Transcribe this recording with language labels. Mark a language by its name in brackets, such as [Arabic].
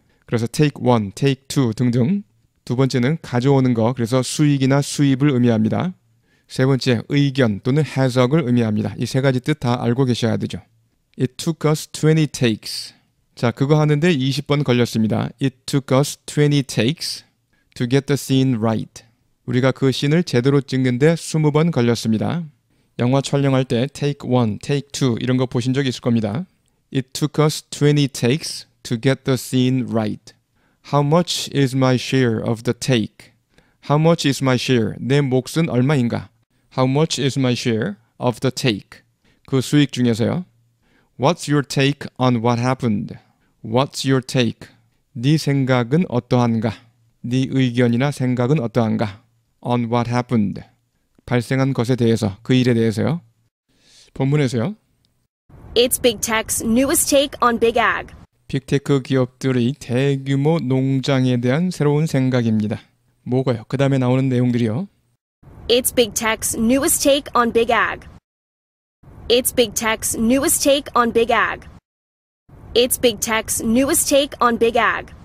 [Korean] 그래서 테이크 1, 테이크 2 등등. 두 번째는 가져오는 거, 그래서 수익이나 수입을 의미합니다. 세 번째, 의견 또는 해석을 의미합니다. 이 세 가지 뜻 다 알고 계셔야 되죠. [English] It took us 20 takes. [Korean] 자, 그거 하는데 20번 걸렸습니다. [English] It took us 20 takes to get the scene right. [Korean] 우리가 그 씬을 제대로 찍는데 20번 걸렸습니다. 영화 촬영할 때 take 1, take 2 이런 거 보신 적 있을 겁니다. [English] It took us 20 takes to get the scene right. How much is my share of the take? How much is my share? [Korean] 내 몫은 얼마인가? [English] How much is my share of the take? [Korean] 그 수익 중에서요. [English] What's your take on what happened? What's your take? [Korean] 네 생각은 어떠한가? 네 의견이나 생각은 어떠한가? [English] On what happened? [Korean] 발생한 것에 대해서, 그 일에 대해서요. 본문에서요. [English] It's Big Tech's newest take on Big Ag. [Korean] 빅테크 기업들의 대규모 농장에 대한 새로운 생각입니다. 뭐가요? 그 다음에 나오는 내용들이요. [English] It's Big Tech's newest take on Big Ag. It's Big Tech's newest take on Big Ag. It's Big Tech's newest take on Big Ag.